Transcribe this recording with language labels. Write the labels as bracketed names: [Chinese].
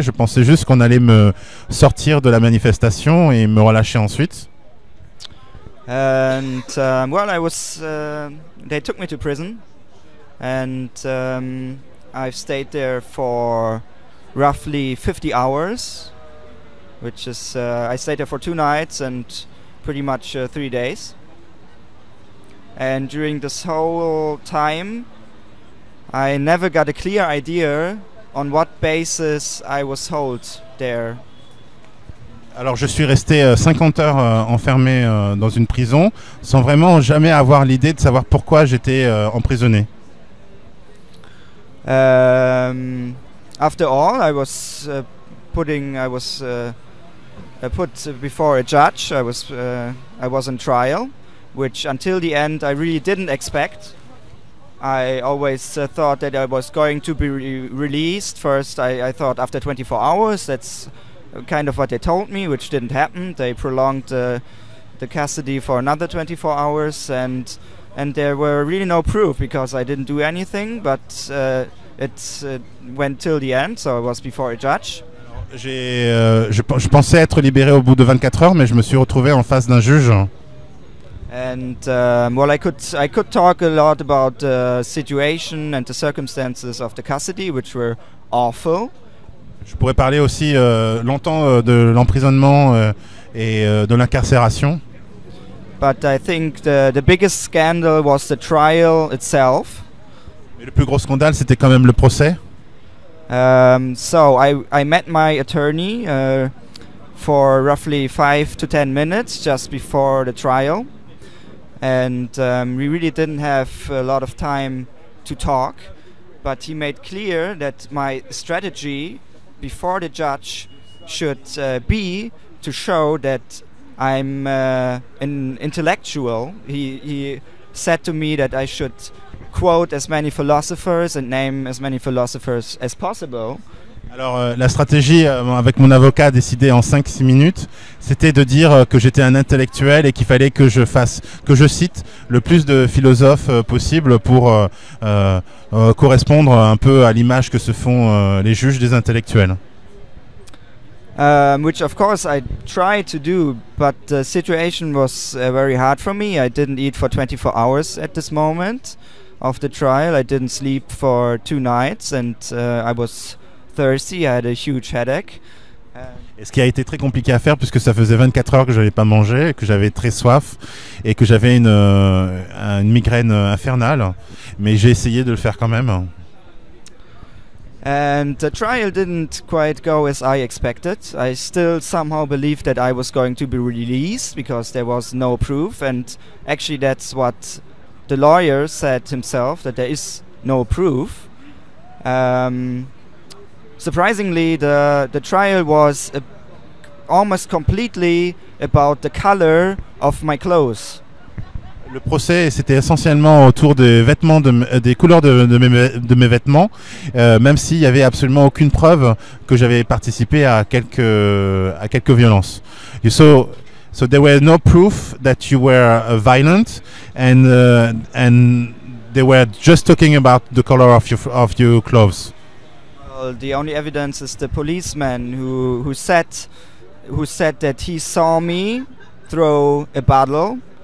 [French] Je pensais juste qu'on allait me sortir de la manifestation et me relâcher ensuite. [English] And well, I was. They took me to prison. And I've stayed there for roughly 50 hours, which is I stayed there for 2 nights and pretty much 3 days. And during this whole time, I never got a clear idea on what basis I was held there. [French] Alors je suis resté 50 heures enfermé dans une prison sans vraiment jamais avoir l'idée de savoir pourquoi j'étais emprisonné. [English] After all, I was put before a judge. I was on trial, which until the end I really didn't expect. I always thought that I was going to be released. First, I thought after 24 hours, that's kind of what they told me, which didn't happen. They prolonged the custody for another 24 hours, and there were really no proof because I didn't do anything, but it went till the end, so I was before a judge. [French] Je pensais être libéré au bout de 24 heures, mais je me suis retrouvé en face d'un juge. [English] And well, I could talk a lot about the situation and the circumstances of the custody, which were awful. [French] Je pourrais parler aussi longtemps de l'emprisonnement et de l'incarcération. [English] But I think the biggest scandal was the trial itself. [French] Mais le plus gros scandale, c'était quand même le procès. [English] So I met my attorney for roughly 5 to 10 minutes just before the trial. And we really didn't have a lot of time to talk, but he made clear that my strategy before the judge should be to show that I'm an intellectual. He said to me that I should quote as many philosophers and name as many philosophers as possible. [French] Alors la stratégie avec mon avocat décidée en 5-6 minutes, c'était de dire que j'étais un intellectuel et qu'il fallait que je fasse, que je cite le plus de philosophes possible pour correspondre un peu à l'image que se font les juges des intellectuels. [English] Which of course I tried to do, but the situation was very hard for me. I didn't eat for 24 hours at this moment of the trial. I didn't sleep for 2 nights and I was thirsty, I had a huge headache. [French] Et ce qui a été très compliqué à faire puisque ça faisait 24 heures que je n'avais pas mangé, que j'avais très soif et que j'avais une migraine infernale, mais j'ai essayé de le faire quand même. [English] And the trial didn't quite go as I expected. I still somehow believed that I was going to be released because there was no proof, and actually that's what the lawyer said himself, that there is no proof. Surprisingly, the trial was almost completely about the color of my clothes. [French] Le procès, c'était essentiellement autour des vêtements, des couleurs de mes vêtements, même s'il n'y avait absolument aucune preuve que j'avais participé à quelques violences. [English] So there were no proof that you were violent, and they were just talking about the color of your clothes. The only evidence is the policeman who said that he saw me throw a bottle.